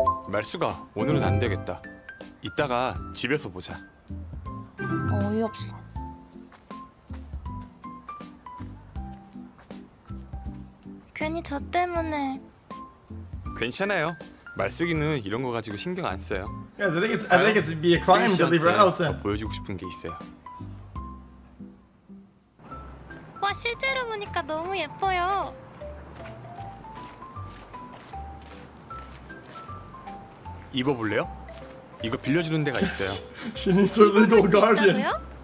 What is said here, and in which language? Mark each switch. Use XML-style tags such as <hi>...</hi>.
<ko>말수가 오늘은 안 되겠다. 이따가 집에서 보자. 어이없어. 괜히 저 때문에. 괜찮아요. 말쓰기는 이런 거 가지고 신경 안 써요.</ko> <en>Yes, I think it's be a crime to leave her out.</en> <ko>더 보여주고 싶은 게 있어요. 와, 실제로 보니까 너무 예뻐요. 입어볼래요? 이거 빌려주는 데가 있어요. 신이 솔로 가디언.</ko>